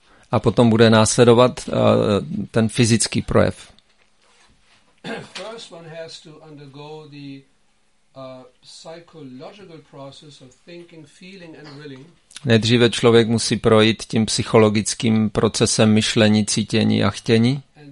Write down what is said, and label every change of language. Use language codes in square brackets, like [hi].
[cs] A potom bude následovat ten fyzický projev. [en] First one has to undergo the psychological process of thinking, feeling and willing. [cs] Nejdříve člověk musí projít tím psychologickým procesem myšlení, cítění a chtění.